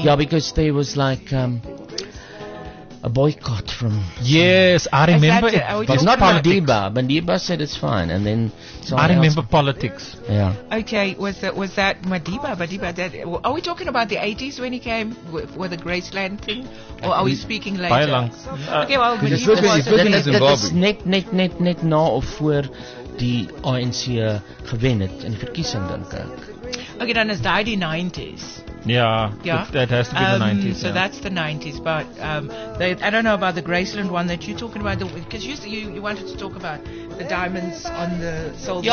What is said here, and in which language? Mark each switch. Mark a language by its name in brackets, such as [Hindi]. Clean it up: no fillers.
[English] Yeah, because there was like... a boycott from... Yes, I remember it. It's not Madiba. Madiba said it's fine, and then... I remember politics. Yeah. Okay, was that Madiba? Madiba, that, are we talking about the 80s when he came with the Graceland thing? Or are we speaking later? Bylang. Okay, well, Madiba was... It's [Afrikaans] net na of voor die ANC gewen het in verkiesing, dink ek. [English] Okay, then is that the 90s? Yeah, that has to be the 90s. So yeah. That's the 90s, but I don't know about the Graceland one that you're talking about, because you wanted to talk about the diamonds on the soldiers.